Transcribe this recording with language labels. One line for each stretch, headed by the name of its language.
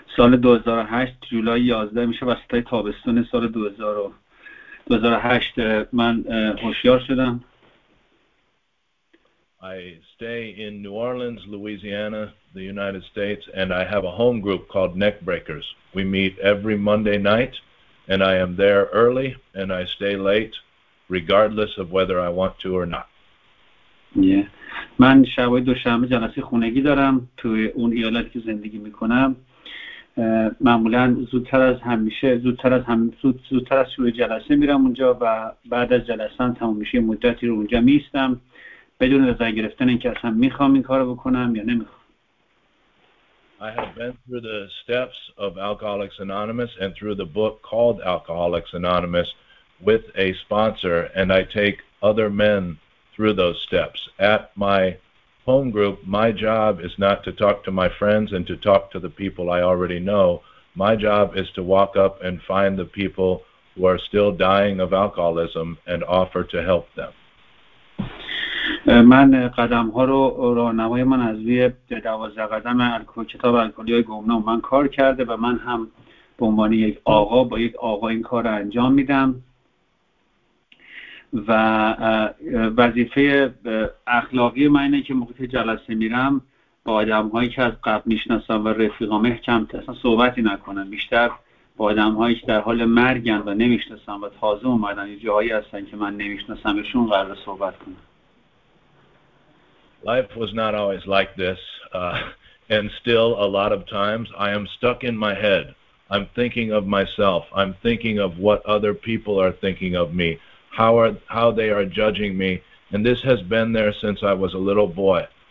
Persian: سال 2008 جولای 11 میشه وسط تابستون سال 2008 من هوشیار شدم.
English: I stay in New Orleans, Louisiana, the United States, and I have a home group called Neckbreakers. We meet every Monday night, and I am there early and I stay late regardless of whether I want to or not. Yeah.
Persian: من شبای دوشنبه جلسه خونگی دارم توی اون ایالتی که زندگی میکنم. معمولا زودتر از شروع جلسه میرم اونجا و بعد از جلسه هم تمام میشه مدتی رو اونجا میستم بدون نظر گرفتن اینکه اصلا میخوام این کارو بکنم یا نمیخوام.
English: I have been through the steps of Alcoholics Anonymous and through the book called Alcoholics Anonymous with a sponsor, and I take other men through those steps. At my home group, my job is not to talk to my friends and to talk to the people I already know. My job is to walk up and find the people who are still dying of alcoholism and offer to help them.
Persian: من قدم ها رو راهنمای من از روی 12 قدم کتاب الکلی‌های گمنام من کار کرده و من هم به عنوان یک آقا با یک آقا این کار رو انجام میدم. و وظیفه اخلاقی من اینه که موقعی جلسه میرم با آدم‌هایی که از قبل میشناسم و رفیقام کمتر اصلا صحبتی نکنم، بیشتر با آدم‌هایی که در حال مرگن و نمیشناسم و تازه اومدن یه جایی هستن که من نمیشناسمشون قرار صحبت کنم.
English: Life was not always like this, and still a lot of times I am stuck in my head. I'm thinking of myself. I'm thinking of what other people are thinking of me. How they are judging me, and this has been there since I was a little boy.